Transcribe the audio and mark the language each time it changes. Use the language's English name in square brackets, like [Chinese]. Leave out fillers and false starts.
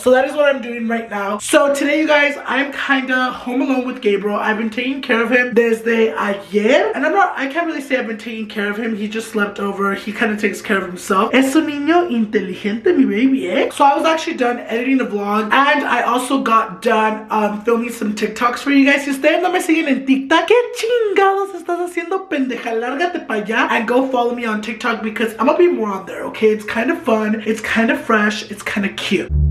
[English] So that is what I'm doing right now. So today, you guys, I'm kind of home alone with Gabriel. I've been taking care of him [Spanish] desde ayer, [English] and I can't really say I've been taking care of him. He just slept over. He kind of takes care of himself. [Spanish] Es un niño inteligente, mi baby, eh? [English] So I was actually done editing the vlog, and I also got done filming some TikToks for you guys. [Spanish] Si ustedes no me siguen en TikTok, ¿qué chingados estás haciendo, pendeja? Lárgate pa' allá. [English] And go follow me on TikTok, because I'm gonna be more on there, okay? It's kind of fun, it's kind of fresh, it's kind of cute.